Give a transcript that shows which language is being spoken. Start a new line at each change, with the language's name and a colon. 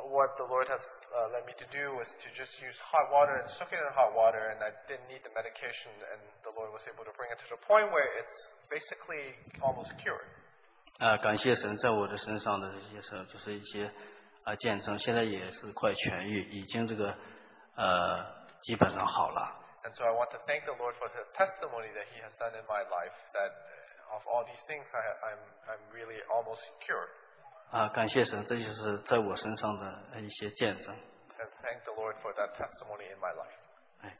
English: what the Lord has led me to do was to just use hot water and soak it in hot water, and I didn't need the medication, and the Lord was able to bring it to the point where it's basically almost cured.
Chinese: 感谢神在我的身上的一些事，就是一些见证，现在也是快痊愈，已经这个基本上好了。
English: And so I want to thank the Lord for the testimony that He has done in my life that of all these things, I'm really almost cured.
Chinese: 感谢神，这就是在我身上的一些见证。
English: And thank the Lord for that testimony in my life.